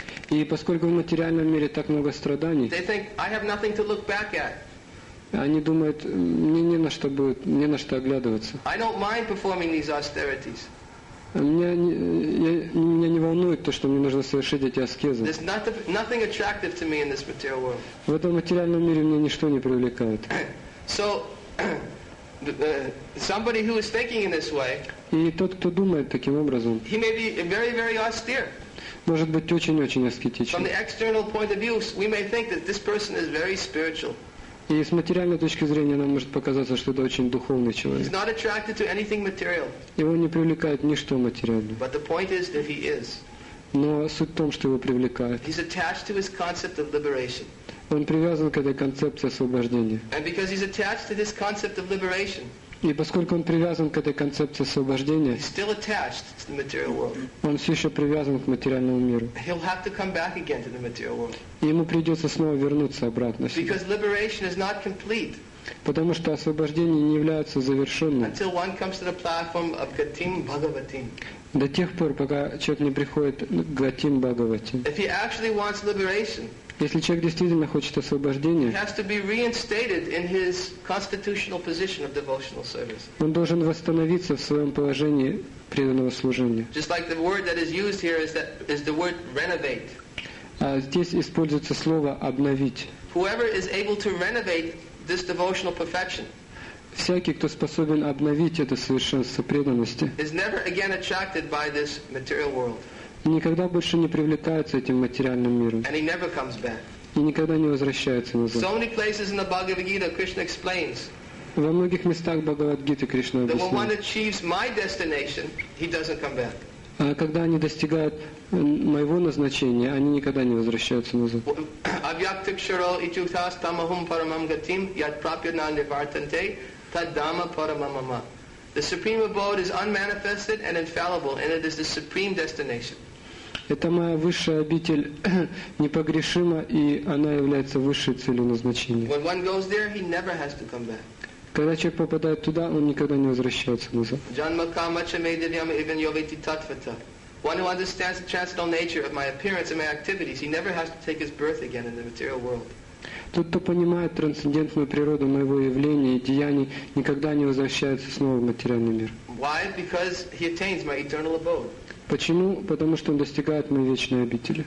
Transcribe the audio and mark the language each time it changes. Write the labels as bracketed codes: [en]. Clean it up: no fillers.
[ru] И поскольку в материальном мире так много страданий. [en] They think I have nothing to look back at. [ru] Они думают, мне не на что будет, не на что оглядываться. [en] I don't mind performing these austerities. [ru] Меня не волнует то, что мне нужно совершить эти аскезы. [en] Nothing attractive to me in this material world. [ru] В этом материальном мире меня ничто не привлекает. [en] So, somebody who is thinking in this way, [ru] и тот, кто думает таким образом, [en] he may be very, very austere. [ru] Может быть очень-очень аскетичен. [en] From the external point of view, we may think that this person is very spiritual. [ru] И с материальной точки зрения нам может показаться, что это очень духовный человек. [en] He's not attracted to anything material. [ru] Его не привлекает ничто материальное. [en] But the point is that he is. [ru] Но суть в том, что его привлекает. [en] He's attached to his concept of liberation. [ru] Он привязан к этой концепции освобождения. [en] And because he's attached to this concept of liberation, [ru] и поскольку он привязан к этой концепции освобождения, [en] he's still attached to the material world. [ru] Он все еще привязан к материальному миру. [en] He'll have to come back again to the material world. [ru] И ему придется снова вернуться обратно сюда. [en] Because liberation is not complete. [ru] Потому что освобождение не является завершенным. [en] Until one comes to the platform of Gatim Bhagavatim. [ru] До тех пор, пока человек не приходит к Гатим Бхагаватим. [en] If he actually wants liberation, [ru] если человек действительно хочет освобождения, [en] he has to be reinstated in his constitutional position of devotional service. [ru] Он должен восстановиться в своем положении преданного служения. [en] Just like the word that is used here is the word renovate. [ru] Здесь используется слово «обновить». [en] Whoever is able to renovate this devotional perfection, [ru] всякий, кто способен обновить это совершенство преданности, [en] is never again attracted by this material world. [ru] Никогда больше не привлекается этим материальным миром. [en] And he never comes back. [ru] И никогда не возвращается назад. [en] So many places in the Bhagavad Gita, Krishna explains. [ru] Во многих местах Бхагавад-гиты Кришна объясняет. [en] That when one achieves my destination, he doesn't come back. [ru] А когда они достигают моего назначения, они никогда не возвращаются назад. [sa] Avyaktikshara ityuktas tamahum paramam gatim yat prapyana nivartante tad dhamma paramamama. [en] The supreme abode is unmanifested and infallible, and it is the supreme destination. [ru] Это моя высшая обитель непогрешима, и она является высшей целью назначения. [en] When one goes there, he never has to come back. [ru] Когда человек попадает туда, он никогда не возвращается назад. [sa] Janma kama cha me devyam even yoviti tatvata. [en] One who understands the transcendental nature of my appearance and my activities, he never has to take his birth again in the material world. [ru] Тот, кто понимает трансцендентную природу моего явления и деяний, никогда не возвращается снова в материальный мир. [en] Why? Because he attains my eternal abode. [ru] Почему? Потому что он достигает моей вечной обители.